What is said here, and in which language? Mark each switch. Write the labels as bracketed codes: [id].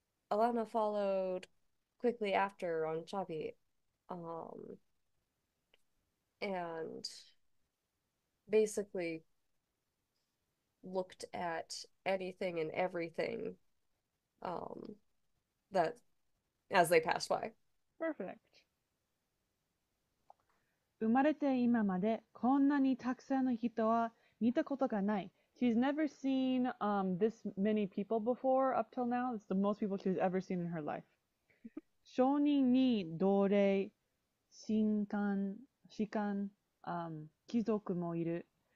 [en] Alanna followed quickly after on Chavi, and basically looked at anything and everything, that as they passed by. Perfect. [ja] 生まれて今までこんなにたくさんの人は見たことがない。 [en] She's never seen this many people before up till now. It's the most people she's ever seen in her life. [ja] 承認に同類、神官、士官、貴族もいる。